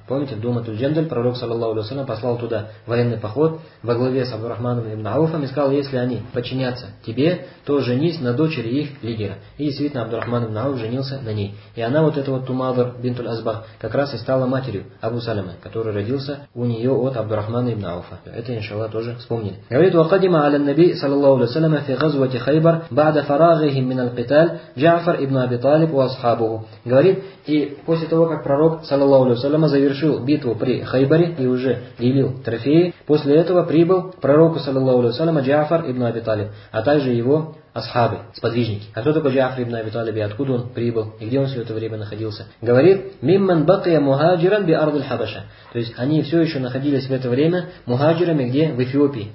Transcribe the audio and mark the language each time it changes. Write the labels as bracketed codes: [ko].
[ru] Помните, Дума Туль-Джендаль, пророк, саллаллаху алейхи ва саллям, послал туда военный поход во главе с Абдуррахманом ибн Ауфом и сказал, если они подчинятся тебе, то женись на дочери их лидера. И действительно, Абдуррахман ибн Ауф женился на ней. И она вот эта вот Тумавр бинтуль Азбах как раз и стала матерью Абу Салама, который родился у нее от Абдуррахмана ибн Ауфа. Это, иншаллах, тоже вспомнили. Говорит, [ar] وَقَدِمَ عَلَى النَّبِيِّ صَلَى اللَّهُ عَلَيْهِ وَسَلَّمَ فِي غَزْوَةِ خَيْبَرَ بَعْدَ فَرَاغِهِمْ مِنَ الْقِتَالِ جَعْفَرُ ابْنُ أَبِي طَالِبٍ وَأَصْحَابُهُ. [ru] Говорит, и после того, как пророк, саллаллаху алейхи ва саллям, завершил битву при Хайбаре и уже делил трофеи, после этого прибыл к пророку, саллаллаху алейхи ва саллям, Джаафар ибн Аби Талиб, а также его асхабы, сподвижники. А кто такой Джаафар ибн Аби Талиб, откуда он прибыл и где он все это время находился? Говорит, [ar] «Мимман бакия мухаджиран би ардуль хабаша». [ru] То есть они все еще находились в это время мухаджирами, где? В Эфиопии.